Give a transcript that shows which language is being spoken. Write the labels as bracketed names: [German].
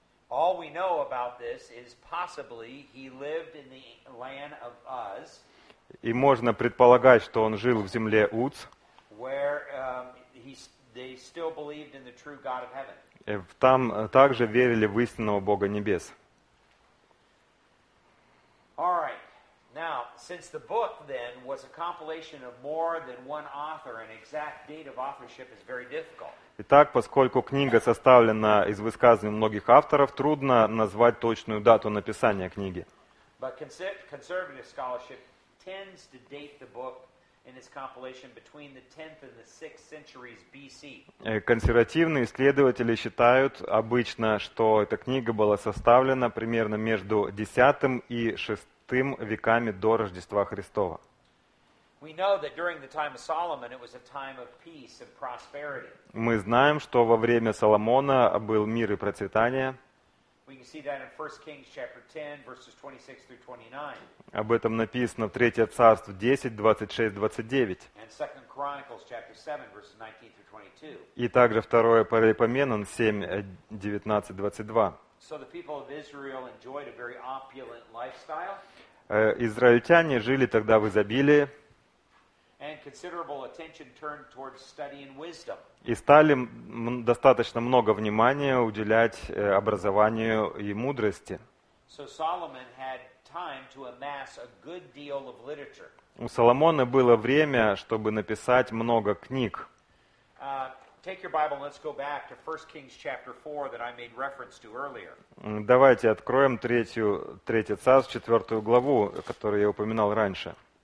[English] All we know about this is possibly he lived in the land of Uz. [Russian] И можно предполагать, что он жил в земле Уц. [English] Where they still believed in the true God of heaven. [Russian] Там также верили в истинного Бога небес. [English] All right. Now, since the book then was a compilation of more than one author, an exact date of authorship is very difficult. [Russian] Итак, поскольку книга составлена из высказываний многих авторов, трудно назвать точную дату написания книги. [English] But conservative scholarship tends to date the book in its compilation between the 10th and the 6th centuries BC. [Russian] Консервативные исследователи считают обычно, что эта книга была составлена примерно между 10 и 6 веками до Рождества Христова. [English] We know that during the time of Solomon it was a time of peace and prosperity. [Russian] Мы знаем, что во время Соломона был мир и процветание. [English] We can see that in 1 Kings chapter 10 verses 26 through 29. [Russian] Об этом написано в Третье Царство 10:26-29. [English] And 2 Chronicles chapter 7 verses 19 through 22. [Russian] И также второе Паралипоменон 7:19-22. [English] So the people of Israel enjoyed a very opulent lifestyle. [Russian] Израильтяне жили тогда в изобилии. [English] And considerable attention turned towards study and wisdom. [Russian] И стали достаточно много внимания уделять образованию и мудрости. [English] So Solomon had time to amass a good deal of literature. [Russian] У Соломона было время, чтобы написать много книг. [English] Take your Bible and let's go back to 1 Kings chapter 4 that I made reference to earlier. [Russian] Давайте откроем третье царство, четвертую главу, которую я упоминал раньше.